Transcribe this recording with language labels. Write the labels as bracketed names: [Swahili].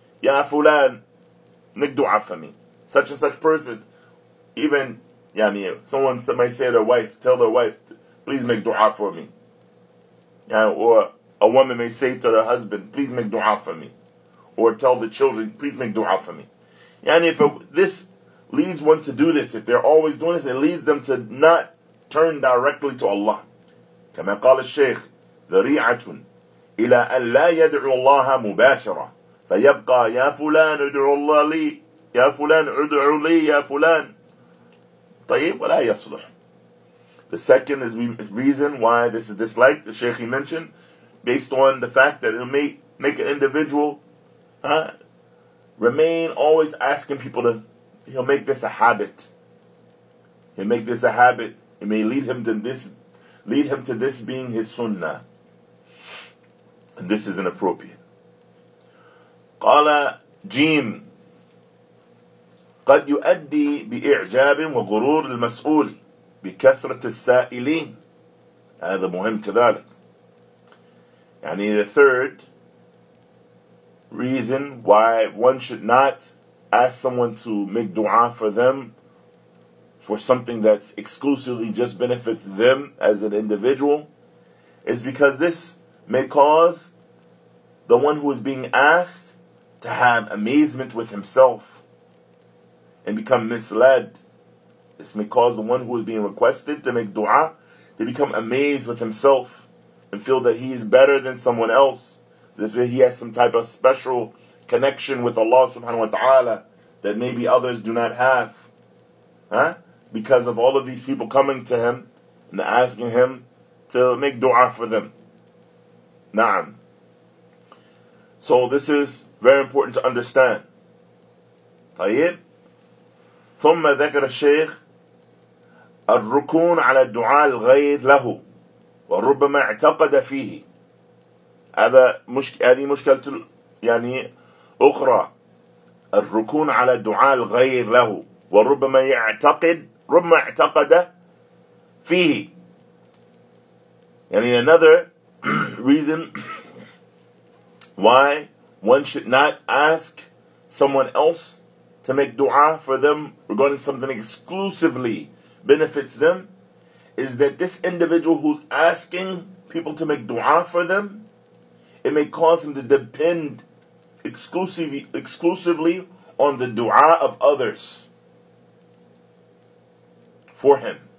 [English] Ya Fulan, make dua for me. Such and such person, even yani, someone may say their wife, tell their wife, please make dua for me. Yeah, or a woman may say to her husband, please make dua for me. Or tell the children, please make dua for me. Yani, if this leads one to do this, if they're always doing this, it leads them to not turn directly to Allah. [Arabic] كما قال الشيخ ذريعة إلى أن لا يدعو الله مباشرة فيبقى يا فلان ادعو الله لي يا فلان ادعو لي يا فلان طيب ولا يصلح. [English] The second is reason why this is disliked, the Shaykh he mentioned, based on the fact that it may make an individual remain always asking people to, he'll make this a habit. He'll make this a habit. It may lead him to this being his sunnah. And this is inappropriate. [Arabic] Qala jim. قد يؤدي بإعجاب وغرور المسؤول بكثرة السائلين. هذا مهم كذلك. [English] يعني the third reason why one should not ask someone to make dua for them for something that's exclusively just benefits them as an individual is because this may cause the one who is being asked to have amazement with himself and become misled. This may cause the one who is being requested to make dua to become amazed with himself and feel that he is better than someone else, as if he has some type of special connection with Allah subhanahu wa ta'ala that maybe others do not have. Because of all of these people coming to him and asking him to make dua for them. Na'am. So this is very important to understand. Tayyib. [Arabic] ثم ذكر الشيخ الركون على الدعاء الغير له وربما اعتقد فيه. هذه مشكلة يعني أخرى، الركون على الدعاء الغير له وربما يعتقد، ربما اعتقد فيه. [English] And in another reason why one should not ask someone else to make dua for them regarding something exclusively benefits them is that this individual who's asking people to make dua for them, it may cause him to depend exclusively on the dua of others for him.